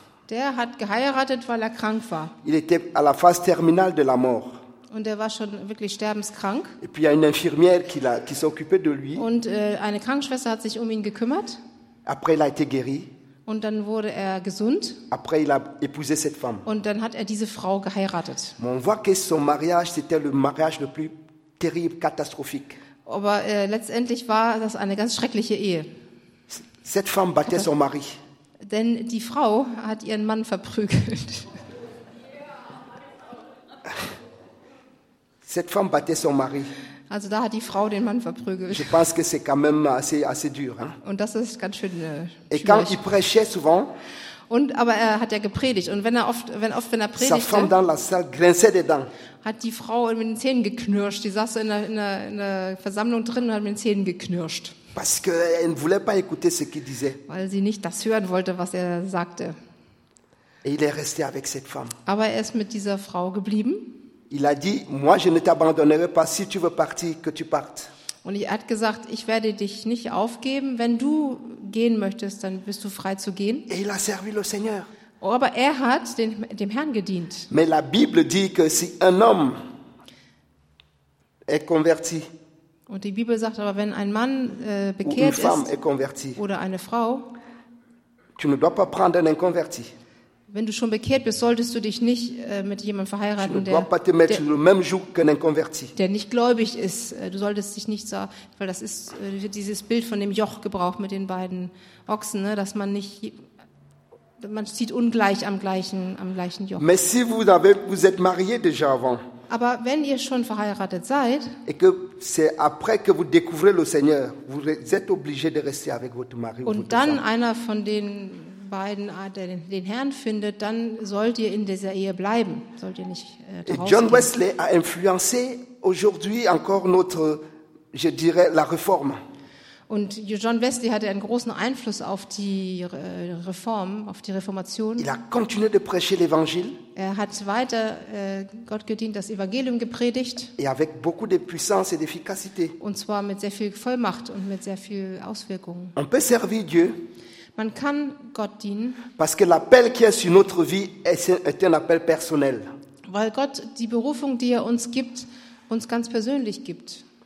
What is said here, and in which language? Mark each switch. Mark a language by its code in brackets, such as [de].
[de] Der hat geheiratet, weil er krank war. [fr] Il était à la phase terminale de la mort. [de] Und er war schon wirklich sterbenskrank. [fr] Et puis il y a une infirmière qui s'occupait de lui. [de] Und eine Krankenschwester hat sich um ihn gekümmert. [fr] Après, il a été guéri. [de] Und dann wurde er gesund. [fr] Après, il a épousé cette femme. [de] Und dann hat er diese Frau geheiratet. [fr] Mais on voit que son mariage, c'était le mariage le plus terrible, catastrophique. [de] Aber letztendlich war das eine ganz schreckliche Ehe. [fr] Cette femme battait son mari. [de] Denn die Frau hat ihren Mann verprügelt. [fr] Cette femme battait son mari. [de] Also da hat die Frau den Mann verprügelt. [fr] Je pense que c'est quand même assez dur, hein? [de] Und das ist ganz schön [fr] Et quand il prêchait souvent, [de] und, aber er hat ja gepredigt. Und wenn er predigte, [fr] sa femme dans la salle grinçait des dents. [de] Hat die Frau mit den Zähnen geknirscht. Die saß in der Versammlung drin und hat mit den Zähnen geknirscht. [fr] Parce que elle ne voulait pas écouter ce qu'il disait. [de] Weil sie nicht das hören wollte, was er sagte. [fr] Et il est resté avec cette femme. [de] Aber er ist mit dieser Frau geblieben. [fr] Il a dit, moi je ne t'abandonnerai pas si tu veux partir, que tu partes. [de] Und er hat gesagt, ich werde dich nicht aufgeben, wenn du gehen möchtest, dann bist du frei zu gehen. [fr] Et il a servi le Seigneur. [de] Aber er hat dem Herrn gedient. [fr] Mais la Bible dit que si un homme est converti. [de] Und die Bibel sagt aber, wenn ein Mann bekehrt ist oder eine Frau, [fr] tu ne dois pas prendre un inconverti. [de] Wenn du schon bekehrt bist, solltest du dich nicht mit jemandem verheiraten, der nicht gläubig ist. Du solltest dich nicht, weil das ist dieses Bild von dem Joch gebraucht mit den beiden Ochsen, ne, dass man nicht, man zieht ungleich am gleichen Joch. [fr] Mais si vous êtes marié déjà avant. [de] Aber wenn ihr schon verheiratet seid, [fr] et que c'est après que vous découvrez le Seigneur, vous êtes obligé de rester avec votre mari. [de] Und dann einer von den beiden, der den Herrn findet, dann sollt ihr in dieser Ehe bleiben, sollt ihr nicht draußen. [fr] John Wesley a influencé aujourd'hui encore notre, je dirais, la réforme. [de] Und John Wesley hatte einen großen Einfluss auf die Reform, auf die Reformation. [fr] Il a continué de prêcher l'évangile. [de] Er hat weiter Gott gedient, das Evangelium gepredigt. [fr] Et avec beaucoup de puissance et d'efficacité. [de] Und zwar mit sehr viel Vollmacht und mit sehr viel Auswirkungen. [fr] On peut servir Dieu. [de] Man kann Gott dienen. [fr] Parce que l'appel qui est sur notre vie est un appel personnel. [de] Weil Gott die Berufung, die er uns gibt, uns ganz persönlich gibt.